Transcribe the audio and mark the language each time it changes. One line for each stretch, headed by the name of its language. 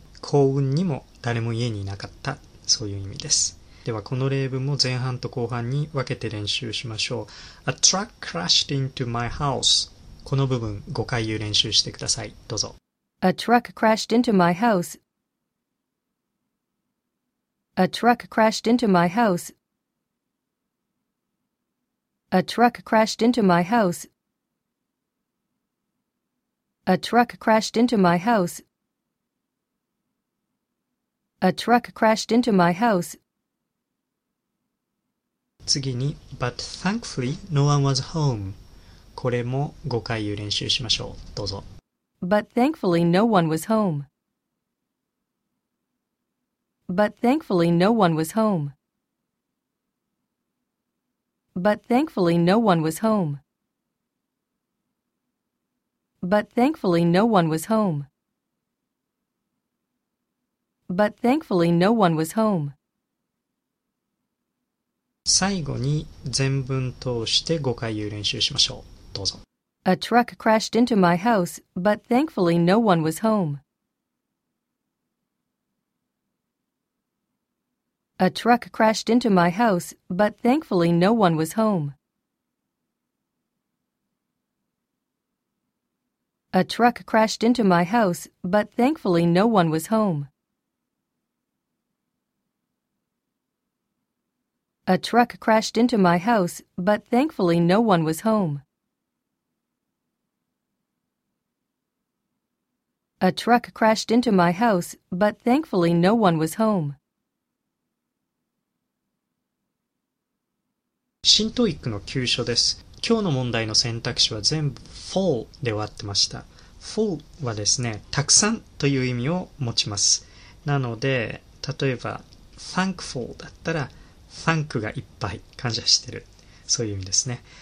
Japanese: 幸運にも誰も家にいなかった。そういう意味です。ではこの例文も前半と後半に分けて練習しましょう。
English: A truck crashed into my house.
Japanese: この部分5回言う練習してください。どうぞ。
English: A truck crashed into my house. A truck crashed into my house. A truck crashed into my house. A truck crashed into my house. A truck crashed into my house.
Japanese: 次に、
English: But thankfully, no one was home.
Japanese: これも5回言う練習しましょう。どうぞ。
English: But thankfully, no one was home. But thankfully, no one was home. But thankfully no one was home. But thankfully no one was home. But thankfully no one was home.
Japanese: 最後に全文通して5回言う練習しましょう。どうぞ。
English: A truck crashed into my house, but thankfully no one was home. A truck crashed into my house, but thankfully no one was home. A truck crashed into my house, but thankfully no one was home. A truck crashed into my house, but thankfully no one was home. A truck crashed into my house, but thankfully no one was home.
Japanese: 新トイックの9書です。今日の問題の選択肢は全部 fall で終わってました。 full はですね、たくさんという意味を持ちます。なので例えば thankful だったら thank がいっぱい、感謝してる、そういう意味ですね。